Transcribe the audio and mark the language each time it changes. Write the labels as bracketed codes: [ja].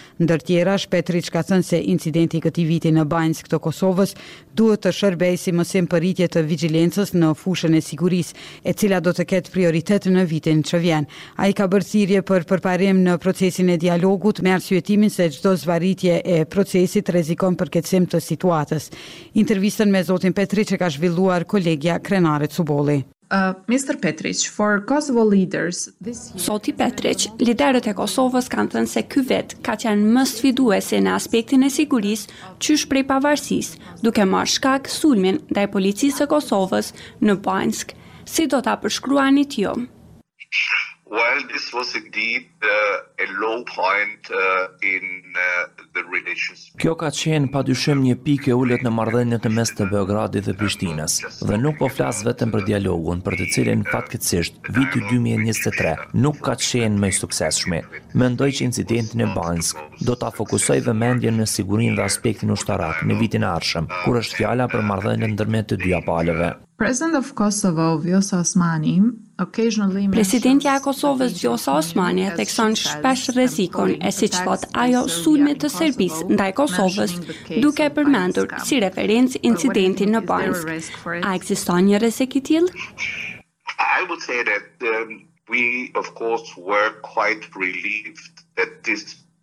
[sq] Ndër tjerash, Petrić ka thënë se incidenti këtij viti në Banjsk të Kosovës duhet të shërbejë si mësim për rritje të vigjilencës në fushën e sigurisë, e cila do të ketë prioritet në vitin që vjen. Ai ka bërë thirrje për përparim në procesin e dialogut me arsyetimin se çdo zvarritje e procesit rrezikon përkeqësim të situatës. Intervistën me zotin Petrić e ka zhvilluar kolegja Krenare Cuboli. [en] Mr. Petrić, for Kosovo leaders this year... [sq] Zoti Petrić, liderët e Kosovës kanë thënë se ky vit ka qenë më sfiduese në aspektin e sigurisë, qysh prej pavarësisë, duke marrë shkak sulmin ndaj policisë së Kosovës në Banjsk. Si do ta përshkruani ti? [en] Well, this was indeed a low point in the relations. [sq] Kjo ka qenë padyshim një pikë e ulët në marrëdhëniet mes të Beogradit dhe Prishtinës. Dhe nuk po flas vetëm për dialogun, për të cilin fatkeqësisht viti 2023 nuk ka qenë më i suksesshëm. Mendoj që incidenti në Banjsk do ta fokusoj vëmendjen në sigurinë dhe aspektin ushtarak në vitin e ardhshëm, kur është fjala për marrëdhëniet ndërmjet të dyja palëve. [en] President of Kosovo, Vjosa Osmani, occasionally mentions... [sq] Presidentja e Kosovës, Vjosa Osmani, thekson shpesh rrezikun e siç thot ajo sulmit të Serbisë ndaj Kosovës, duke përmendur si referencë incidentin në Banjsk. A ekziston një rrezik i tillë? [en] I would say that we of course were quite relieved that this